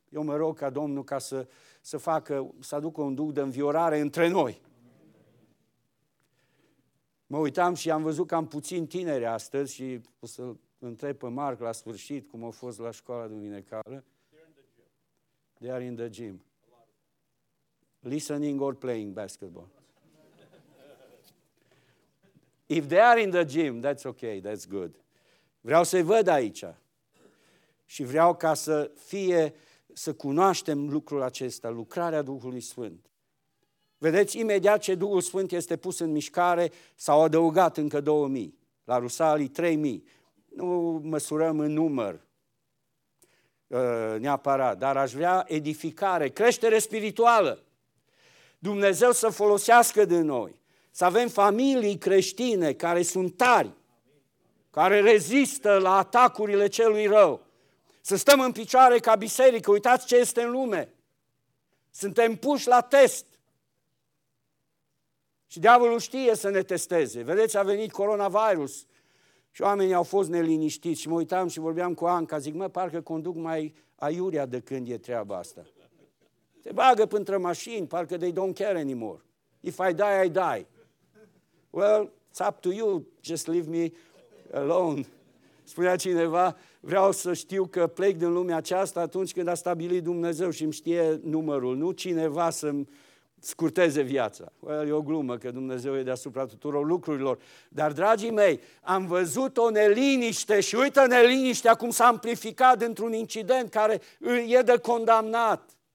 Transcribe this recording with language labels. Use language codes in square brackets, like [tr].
[ro] Eu mă rog ca Domnul ca să aducă un duc de înviorare între noi. Mă uitam și am văzut că am puțin tineri astăzi și o să-l întreb pe Marc la sfârșit cum a fost la școala duminicală. [en] They are in the gym. Listening or playing basketball. If they are in the gym, that's okay, that's good. [ro] Vreau să-i văd aici și vreau ca să fie... Să cunoaștem lucrul acesta, lucrarea Duhului Sfânt. Vedeți, imediat ce Duhul Sfânt este pus în mișcare, s-au adăugat încă 2000, la Rusalii 3000. Nu măsurăm în număr neapărat, dar aș vrea edificare, creștere spirituală. Dumnezeu să folosească de noi, să avem familii creștine care sunt tari, care rezistă la atacurile celui rău. Să stăm în picioare ca biserică, uitați ce este în lume. Suntem puși la test. Și diavolul știe să ne testeze. Vedeți, a venit coronavirus și oamenii au fost neliniștiți. Și mă uitam și vorbeam cu Anca, zic, mă, parcă conduc mai aiurea de când e treaba asta. Te bagă printre mașini, parcă [en] they don't care anymore. If I die, I die. Well, it's up to you, just leave me alone. [ro] Spunea cineva, vreau să știu că plec din lumea aceasta atunci când a stabilit Dumnezeu și îmi știe numărul. Nu cineva să-mi scurteze viața. E o glumă că Dumnezeu e deasupra tuturor lucrurilor. Dar, dragii mei, am văzut o neliniște și uită neliniștea cum s-a amplificat într-un incident care e de condamnat.